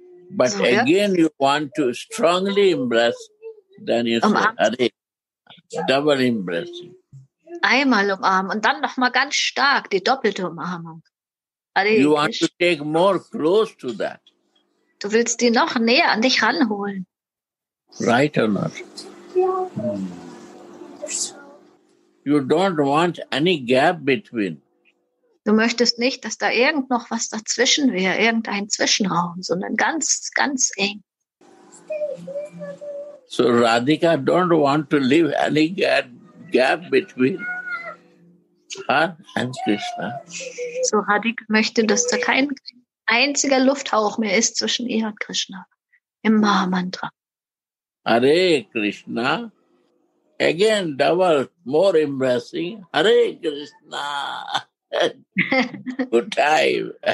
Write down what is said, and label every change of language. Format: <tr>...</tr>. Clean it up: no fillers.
<en>But so, again, you want to strongly embrace, then you say, Hare. Double embracing.</en> <de>Einmal umarmen und dann nochmal ganz stark, die doppelte Umarmung.</de> <sa>Hare.</sa> <en>You want to take more close to that.</en> <de>Du willst die noch näher an dich ranholen.</de> <en>Right or not? You don't want any gap between.</en> <de>Du möchtest nicht, dass da irgend noch was dazwischen wäre, irgendein Zwischenraum, sondern ganz, ganz eng.</de> <en>So Radhika don't want to leave any gap between her and Krishna.</en> <de>So Radhika möchte, dass da kein einziger Lufthauch mehr ist zwischen ihr und Krishna im Mahamantra.</de> <en>Hare Krishna. Again, double, more embracing. Hare Krishna. Good time.</en>